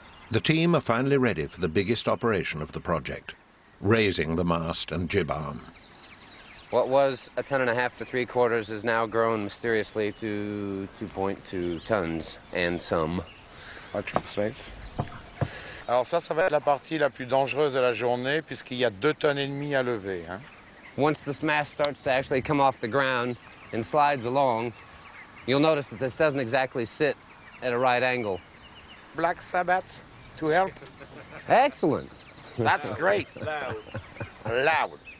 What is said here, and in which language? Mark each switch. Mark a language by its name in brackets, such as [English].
[English] The team are finally ready for the biggest operation of the project, raising the mast and jib arm. What was a ton and a half to three quarters has now grown mysteriously to 2.2 tons and some. I translate. [French] Alors ça, ça va être la partie la plus dangereuse de la journée puisqu'il y a 2.5 tons à lever. Hein? [English] Once this mast starts to actually come off the ground and slides along, you'll notice that this doesn't exactly sit at a right angle. Black Sabbath to help. Excellent. That's great. Loud.